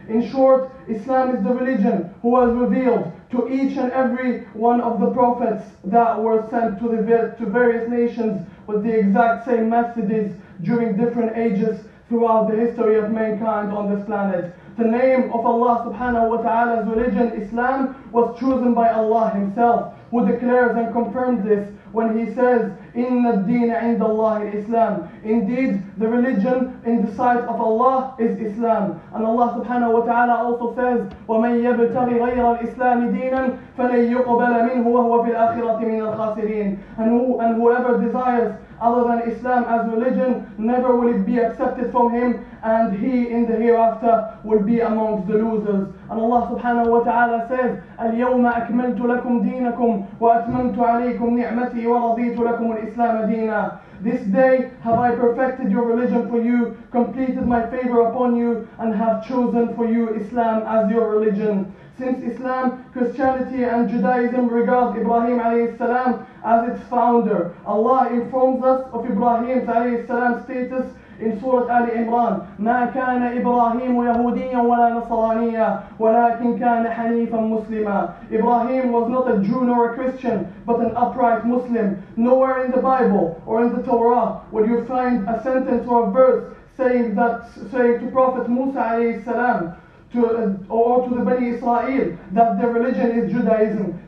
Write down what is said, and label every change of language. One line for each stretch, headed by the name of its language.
English: In short, Islam is the religion who was revealed to each and every one of the prophets that were sent to various nations with the exact same messages during different ages throughout the history of mankind on this planet. The name of Allah subhanahu wa ta'ala's religion, Islam, was chosen by Allah himself, who declares and confirms this when he says,
Arabic: إِنَّ الدِّينَ عِنْدَ اللَّهِ الْإِسْلَامِ.
English: Indeed, the religion in the sight of Allah is Islam. And Allah subhanahu wa ta'ala also says,
Arabic: وَمَنْ يَبْتَغِ غَيْرَ الْإِسْلَامِ دِينًا فَلَنْ يُقْبَلَ مِنْهُ وَهُوَ فِي الْآخِرَةِ مِنَ الْخَاسِرِينَ.
English: And whoever desires other than Islam as religion, never will it be accepted from him, and he in the hereafter will be amongst the losers. And Allah subhanahu wa ta'ala says,
Arabic: الْيَوْمَ أَكْمَلْتُ لَكُمْ دِينَكُمْ وَأَتْمَمْتُ عَلَيْكُمْ نِعْمَتِي وَرَضِيتُ لَكُمُ الْإِسْلَامَ دِينًا.
English: This day have I perfected your religion for you, completed my favor upon you, and have chosen for you Islam as your religion. Since Islam, Christianity and Judaism regard Ibrahim alayhi salam as its founder, Allah informs us of Ibrahim's alayhi salam status
Arabic: إن سورة آل عمران: ما كان إبراهيم يهوديا ولا نصرانيا ولكن كان حنيفا مسلما.
English: إبراهيم was not a Jew nor a Christian but an upright Muslim. Nowhere in the Bible or in the Torah would you find a sentence or a verse saying to Prophet Musa عليه السلام or to the Bani Israel that their religion is Judaism.